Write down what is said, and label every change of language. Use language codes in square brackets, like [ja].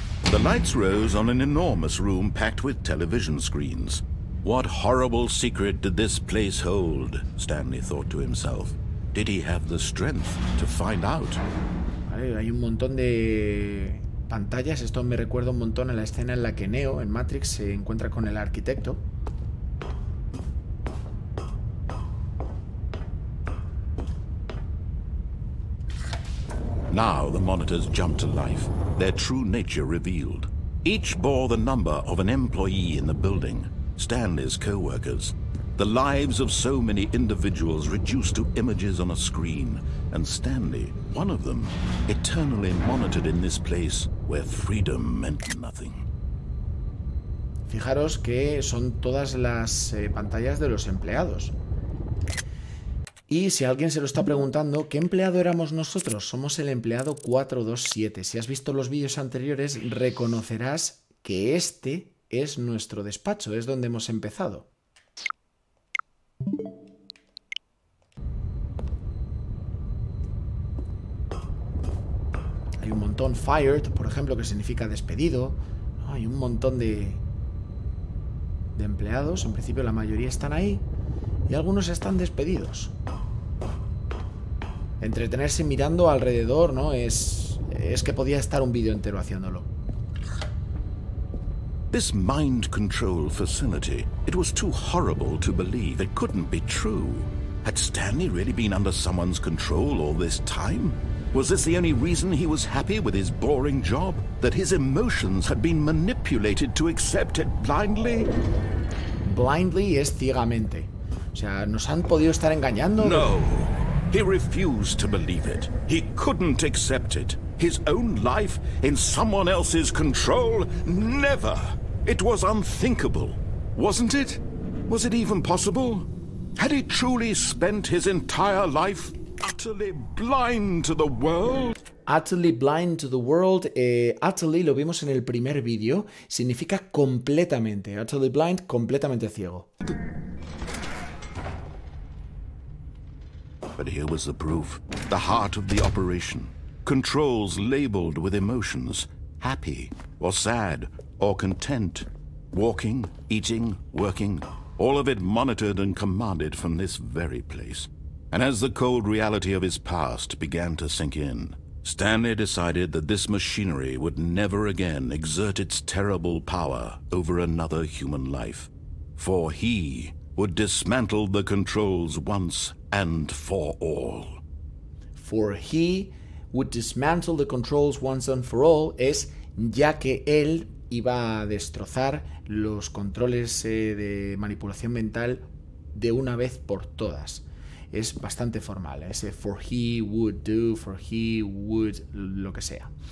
[en] The lights rose on an enormous room packed with television screens. What horrible secret did this place hold? Stanley thought to himself. Did he have the strength to find out? [es] Vale, hay un montón de pantallas. Esto me recuerda un montón a la escena en la que Neo en Matrix se encuentra con el arquitecto. [en] Now the monitors jumped to life, their true nature revealed. Each bore the number of an employee in the building, Stanley's co-workers. The lives of so many individuals reduced to images on a screen, and Stanley, one of them, eternally monitored in this place where freedom meant nothing. [es] Fijaros que son todas las pantallas de los empleados. Y si alguien se lo está preguntando, ¿qué empleado éramos nosotros? Somos el empleado 427. Si has visto los vídeos anteriores, reconocerás que este es nuestro despacho, es donde hemos empezado. Un montón, fired, por ejemplo, que significa despedido. No, hay un montón de empleados, en principio la mayoría están ahí y algunos están despedidos. Entretenerse mirando alrededor, ¿no? Es que podía estar un vídeo entero haciéndolo. [en] This mind control facility, it was too horrible to believe. It couldn't be true. Had Stanley really been under someone's control all this time? Was this the only reason he was happy with his boring job? That his emotions had been manipulated to accept it blindly? [es] Blindly es ciegamente. O sea, nos han podido estar engañando. [en] No. He refused to believe it. He couldn't accept it. His own life in someone else's control? Never. It was unthinkable, wasn't it? Was it even possible? Had he truly spent his entire life utterly blind to the world? Utterly blind to the world. [es] Utterly, lo vimos en el primer vídeo, significa completamente. Utterly blind, completamente ciego. [en] But here was the proof, the heart of the operation. Controls labeled with emotions, happy or sad or content. Walking, eating, working, all of it monitored and commanded from this very place. And as the cold reality of his past began to sink in, Stanley decided that this machinery would never again exert its terrible power over another human life. For he would dismantle the controls once and for all. For he would dismantle the controls once and for all, [es] es ya que él iba a destrozar los controles de manipulación mental de una vez por todas. Es bastante formal, ese [en] for he would do, for he would, [es] lo que sea.